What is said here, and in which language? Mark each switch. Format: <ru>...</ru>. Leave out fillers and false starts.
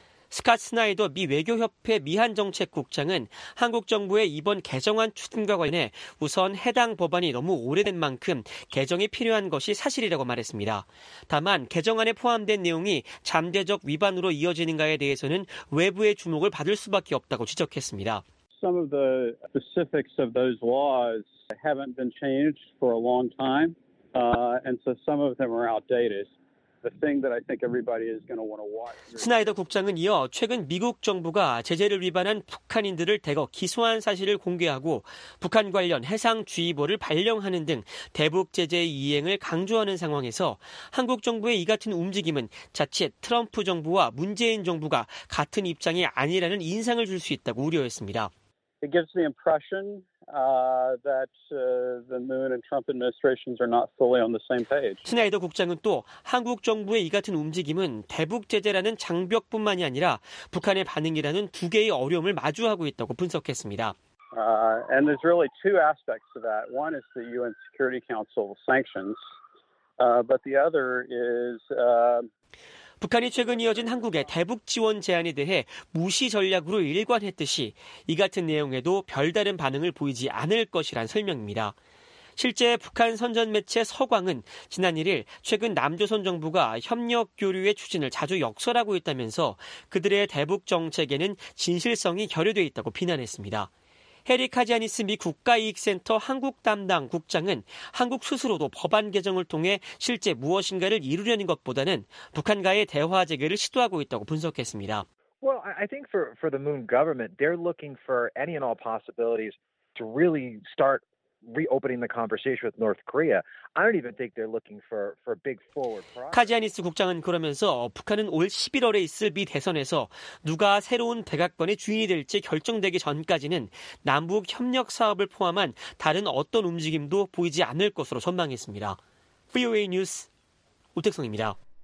<ko>스캇 스나이더 미 외교협회 미한정책국장은 한국 정부의 이번 개정안 추진과 관련해 우선 해당 법안이 너무 오래된 만큼 개정이 필요한 것이 사실이라고 말했습니다. 다만 개정안에 포함된 내용이 잠재적 위반으로 이어지는가에 대해서는 외부의 주목을 받을 수밖에 없다고 지적했습니다.</ko> <en>Some of the specifics of those laws haven't been changed for a long time, and so some of them are outdated. The thing that I think everybody is going to want to watch.</en> <ko>스나이더 국장은 이어 최근 미국 정부가 제재를 위반한 북한인들을 대거 기소한 사실을 공개하고 북한 관련 해상 주의보를 발령하는 등 대북 제재 이행을 강조하는 상황에서 한국 정부의 이 같은 움직임은 자칫 트럼프 정부와 문재인 정부가 같은 입장이 아니라는 인상을 줄 수 있다고 우려했습니다.</ko> <en>It gives the impression that the Moon and Trump administrations are not fully on the same page.</en> <ko>스나이더 국장은 또 한국 정부의 이 같은 움직임은 대북 제재라는 장벽뿐만이 아니라 북한의 반응이라는 두 개의 어려움을 마주하고 있다고 분석했습니다.</ko> <en>And there's really two aspects to that. One is the UN Security Council sanctions, but the other is</en> <ko>북한이 최근 이어진 한국의 대북 지원 제안에 대해 무시 전략으로 일관했듯이 이 같은 내용에도 별다른 반응을 보이지 않을 것이란 설명입니다. 실제 북한 선전 매체 서광은 지난 1일 최근 남조선 정부가 협력 교류의 추진을 자주 역설하고 있다면서 그들의 대북 정책에는 진실성이 결여돼 있다고 비난했습니다. 해리 카지아니스 미 국가이익센터 한국 담당 국장은 한국 스스로도 법안 개정을 통해 실제 무엇인가를 이루려는 것보다는 북한과의 대화 재개를 시도하고 있다고 분석했습니다.</ko> <en>Well, I think for the Moon government, they're looking for any and all possibilities to really start reopening the conversation with North Korea. I don't even think they're looking for big forward progress.</en> <ko>카지아니스 국장은 그러면서 북한은 올 11월에 있을 미 대선에서 누가 새로운 백악관의 주인이 될지 결정되기 전까지는 남북 협력 사업을 포함한 다른 어떤 움직임도 보이지 않을 것으로 전망했습니다. VOA 뉴스 오택성입니다.</ko>